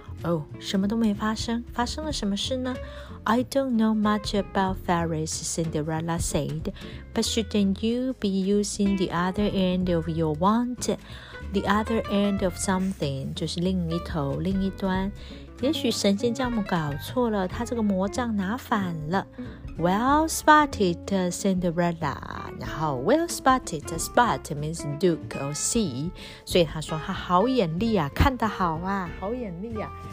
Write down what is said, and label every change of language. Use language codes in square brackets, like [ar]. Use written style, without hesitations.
[zh] Oh， 什么都没发生，发生了什么事呢？ [en] I don't know much about fairies, Cinderella said, but shouldn't you be using the other end of your wand? The other end of something, [zh] 就是另一头，另一端。也许神仙教母搞错了，她这个魔杖拿反了。 [en] Well spotted, Cinderella. [zh] 然后 [en] well spotted, spot means look or see. [zh] 所以她说她好眼力啊，看得好啊，好眼力啊。